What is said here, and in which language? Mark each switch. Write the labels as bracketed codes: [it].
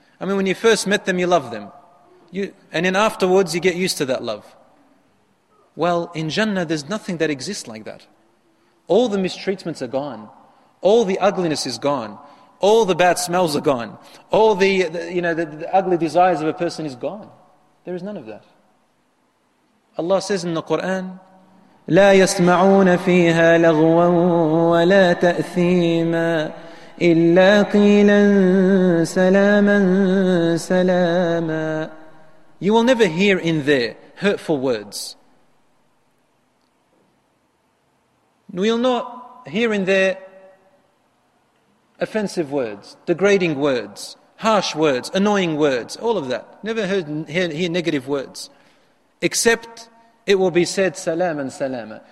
[en] I mean, when you first met them, you love them. And then afterwards, you get used to that love. Well, in Jannah, there's nothing that exists like that. All the mistreatments are gone. All the ugliness is gone. All the bad smells are gone. All the ugly desires of a person is gone. There is none of that. Allah says in the Quran, [ar] لَا يَسْمَعُونَ فِيهَا لَغْوًا وَلَا تَأْثِيمًا إِلَّا قِيلًا سَلَامًا سَلَامًا. [en] You will never hear in there hurtful words. We'll not hear in there offensive words, degrading words, harsh words, annoying words, all of that. Never hear negative words. Except it will be said, salam and salama.